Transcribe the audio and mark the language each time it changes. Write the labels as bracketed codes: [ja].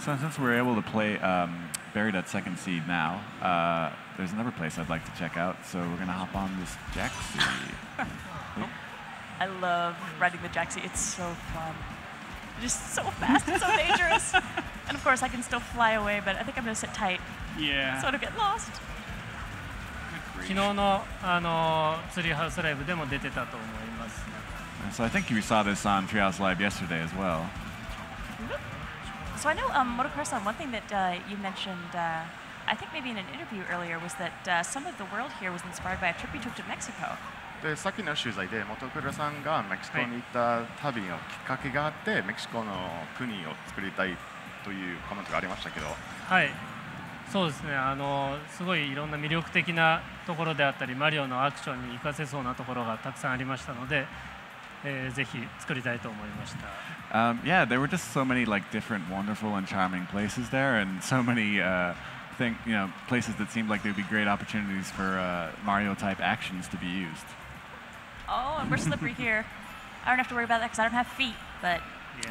[en] So since we're able to play, bury that second seed now, there's another place I'd like to check out, so we're going to hop on this jacksie. I love riding the jacksie, it's so fun. Just so fast and so dangerous. And of course I can still fly away, but I think I'm going to sit tight. Yeah. Sort of get lost. [ja] 昨日の、ツリーハウスライブでも出てたと思います。 [en] So I think you saw this on Treehouse Live yesterday as well. So I know, Motocross-san, one thing that you mentioned, I think maybe in an interview earlier, was that some of the world here was inspired by a trip you took to Mexico. [ja] で、さっきの取材で、モトクロさんがメキシコに行った旅のきっかけがあって、メキシコの国を作りたいというコメントがありましたけど。はい。そうですね。すごいいろんな魅力的なところであったり、マリオのアクションに活かせそうなところがたくさんありましたので、ぜひ作りたいと思いました。 [en] Yeah, there were just so many like different wonderful and charming places there, and so many think, you know, places that seemed like they'd be great opportunities for Mario type actions to be used. Oh, and we're slippery here. I don't have to worry about that because I don't have feet, but yeah.